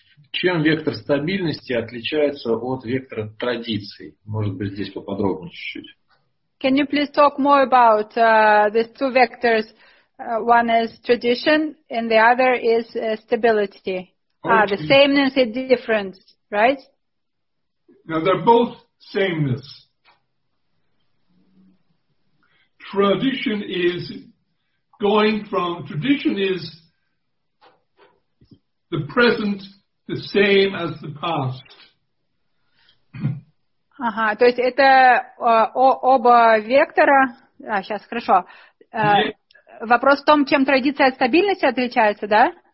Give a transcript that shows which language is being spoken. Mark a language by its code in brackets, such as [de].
[ru] Чем вектор стабильности отличается от вектора традиций? Может быть, здесь поподробнее чуть-чуть. [en] Can you please talk more about these two vectors? One is tradition and the other is stability. Okay. The sameness and difference, right? Now they're both sameness. Tradition is going from, tradition is the present the same as the past. [ru] Ага, то есть это оба вектора. А, сейчас, хорошо. Вопрос в том, чем традиция от стабильности отличается, да?